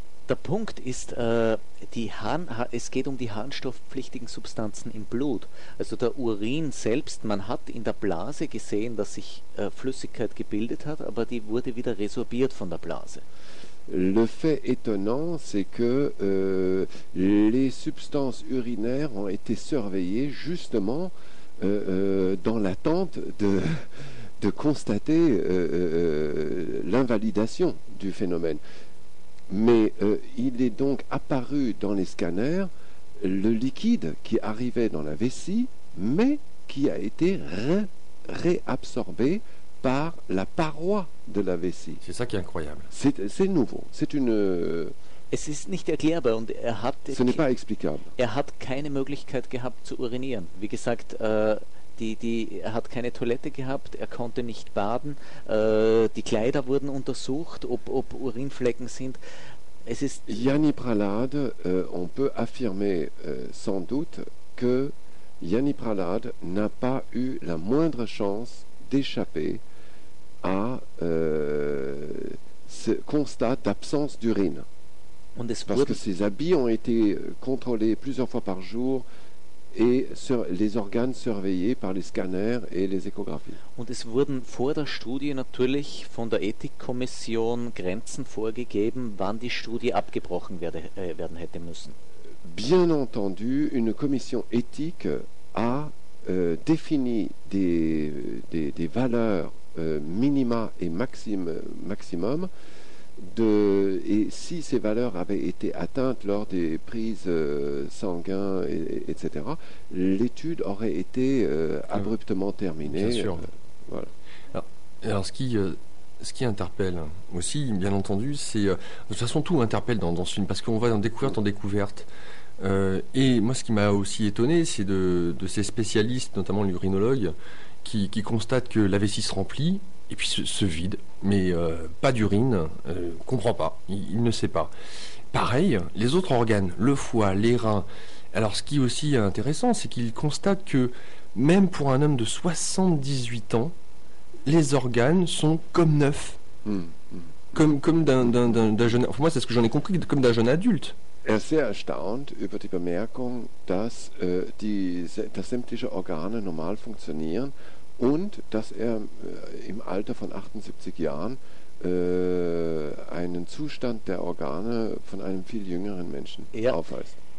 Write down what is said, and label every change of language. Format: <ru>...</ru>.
<de>Der Punkt ist, es geht um die harnstoffpflichtigen Substanzen im Blut. Also der Urin selbst, man hat in der Blase gesehen, dass sich Flüssigkeit gebildet hat, aber die wurde wieder resorbiert von der Blase.</de> <fr>Le fait étonnant, c'est que les substances urinaires ont été surveillées justement dans l'attente de constater l'invalidation du phénomène. Mais il est donc apparu dans les scanners le liquide qui arrivait dans la vessie, mais qui a été réabsorbé par la paroi de la vessie. C'est ça qui est incroyable. C'est nouveau. C'est une...</fr> <de>Es ist nicht erklärbar und er hat...</de> <fr>Ce n'est pas explicable.</fr> <de>Er hat keine Möglichkeit gehabt zu urinieren. Wie gesagt... Er hat keine Toilette gehabt, er konnte nicht baden, die Kleider wurden untersucht, ob Urinflecken sind. Es ist</de> <fr>Jani Prahlad, on peut affirmer sans doute que Jani Prahlad n'a pas eu la moindre chance d'échapper à ce constat d'absence d'urine.</fr> <de>Und es</de> <fr>parce que ses habits ont été contrôlés plusieurs fois par jour, et sur les organes surveillés par les scanners et les échographies.</fr> <de>Und es wurden vor der Studie natürlich von der Ethikkommission Grenzen vorgegeben, wann die Studie abgebrochen werden hätte müssen.</de> <fr>Bien entendu, une commission éthique a défini des valeurs minima et maximum et si ces valeurs avaient été atteintes lors des prises sanguins, etc., l'étude aurait été abruptement terminée. Bien sûr. Voilà. Alors ce qui interpelle aussi, bien entendu, c'est... De toute façon, tout interpelle dans ce film, parce qu'on va en découverte en découverte. Et moi, ce qui m'a aussi étonné, c'est de ces spécialistes, notamment l'urinologue, qui constatent que la vessie se remplit, et puis ce vide, mais pas d'urine, comprend pas, il ne sait pas. Pareil, les autres organes, le foie, les reins. Alors ce qui est aussi intéressant, c'est qu'il constate que même pour un homme de 78 ans, les organes sont comme neufs. comme d'un jeune, enfin, moi c'est ce que j'en ai compris, comme d'un jeune adulte.</fr> <de>Er ist sehr erstaunt über die Bemerkung, dass dass sämtliche Organe normal funktionieren und dass er im Alter von 78 Jahren einen Zustand der Organe von einem viel jüngeren Menschen aufweist.</de>